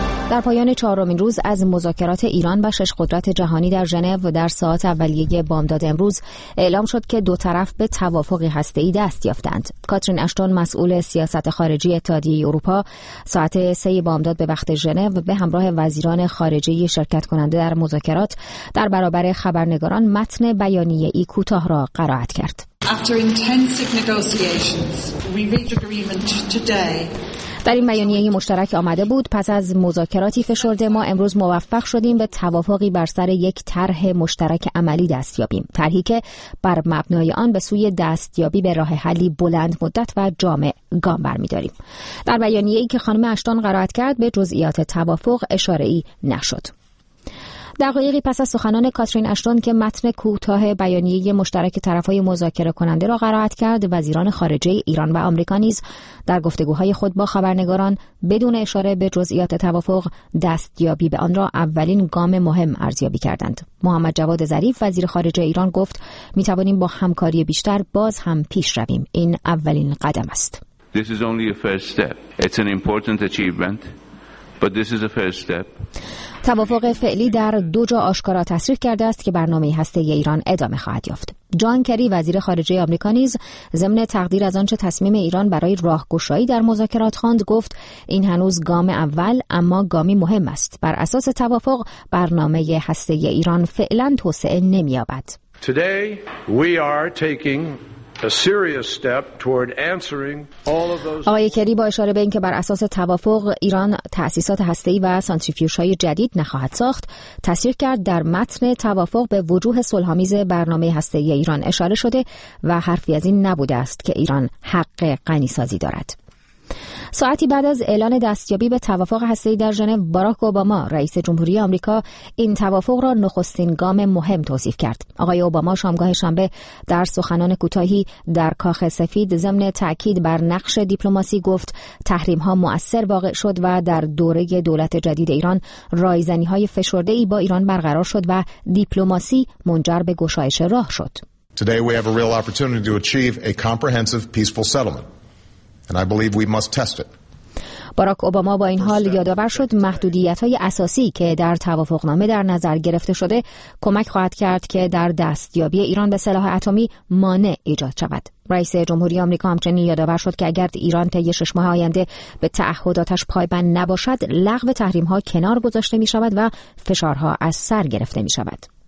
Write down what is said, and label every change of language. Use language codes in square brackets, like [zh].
[fa] در پایان چهارمین روز از مذاکرات ایران و شش قدرت جهانی در ژنو در ساعت اولیه بامداد امروز اعلام شد که دو طرف به توافق هسته‌ای دست یافتند. کاترین اشتون مسئول سیاست خارجی اتحادیه اروپا ساعت 3 بامداد به وقت ژنو به همراه وزیران خارجه شرکت کننده در مذاکرات در برابر خبرنگاران متن بیانیه ای کوتاه را قرائت کرد. [en] After intensive negotiations, we reached agreement today. [fa] در این بیانیه مشترک آمده بود: پس از مذاکراتی فشرده ما امروز موفق شدیم به توافقی بر سر یک طرح مشترک عملی دست یابیم، طرحی که بر مبنای آن به سوی دستیابی به راه حلی بلند مدت و جامع گام برمی‌داریم. در بیانیه‌ای که خانم اشتون قرائت کرد به جزئیات توافق اشاره‌ای نشد. دقایقی پس از سخنان کاترین اشتون که متن کوتاه بیانیه مشترک طرفهای مذاکره کننده را قرائت کرد، وزیران خارجه ایران و آمریکا نیز در گفتگوهای خود با خبرنگاران بدون اشاره به جزئیات توافق دستیابی به آن را اولین گام مهم ارزیابی کردند. محمد جواد ظریف وزیر خارجه ایران گفت: می توانیم با همکاری بیشتر باز هم پیش رویم. این اولین قدم است. [en] This is only a first step. It's an important achievement. But this is a first step. [fa] توافق فعلی در دو جا آشکارا تصریح کرده است که برنامه هسته‌ای ایران ادامه خواهد یافت. جان کری وزیر خارجه آمریکا نیز ضمن تقدیر از آنچه تصمیم ایران برای راهگشایی در مذاکرات خواند گفت: این هنوز گام اول اما گامی مهم است. بر اساس توافق برنامه هسته‌ای ایران فعلا توسعه نمی‌یابد. [en] Today we are taking a serious step toward answering all of those. [fa] آقای کری با اشاره به اینکه بر اساس توافق ایران تأسیسات هسته‌ای و سانتریفیوژهای جدید نخواهد ساخت، تصریح کرد در متن توافق به وجوه صلح‌آمیز برنامه هسته‌ای ایران اشاره شده و حرفی از این نبوده است که ایران حق غنی‌سازی دارد. ساعتی بعد از اعلان دستیابی به توافق هسته‌ای در ژنو، باراک اوباما رئیس جمهوری آمریکا این توافق را نخستین گام مهم توصیف کرد. آقای اوباما شامگاه شنبه در سخنان کوتاهی در کاخ سفید ضمن تاکید بر نقش دیپلماسی گفت: تحریم‌ها مؤثر واقع شد و در دوره دولت جدید ایران رایزنی‌های فشرده‌ای با ایران برقرار شد و دیپلماسی منجر به گشایش راه شد. [en] Today we have a real opportunity to achieve a comprehensive peaceful settlement. And I believe we must test it. [fa] باراک اوباما با این حال یادآور شد محدودیت‌های اساسی که در توافقنامه در نظر گرفته شده کمک خواهد کرد که در دستیابی ایران به سلاح اتمی مانع ایجاد شود. رئیس جمهوری آمریکا همچنین یادآور شد که اگر ایران طی 6 ماه آینده به تعهداتش پایبند نباشد، لغو تحریم‌ها کنار گذاشته می‌شود و فشارها از سر گرفته می‌شود.